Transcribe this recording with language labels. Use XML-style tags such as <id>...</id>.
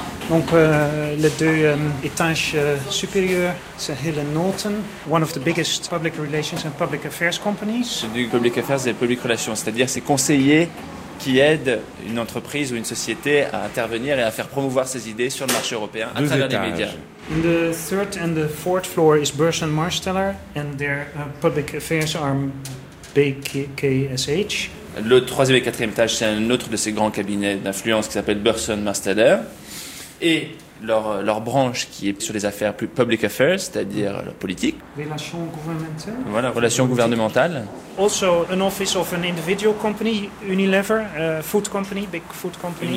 <fr>Donc, les deux étages supérieurs, c'est Hill & Knowlton,</fr> <en>one of the biggest public relations and public affairs companies.</en> <fr>Du public affairs et public relations, c'est-à-dire ces conseillers qui aident une entreprise ou une société à intervenir et à faire promouvoir ses idées sur le marché européen à travers les médias.</fr> <en>In the third and the fourth floor is Burrs & Marsteller and their public affairs arm, BKSH.</en> <fr>Le troisième et quatrième étage, c'est un autre de ces grands cabinets d'influence qui s'appelle Burrs & Marsteller. Et leur branche qui est sur les affaires plus public affairs, c'est-à-dire leur politique. Relations gouvernementales. Voilà, relations gouvernementales.</fr> <en>Also, an office of an individual company, Unilever, a food company, big food company.</en>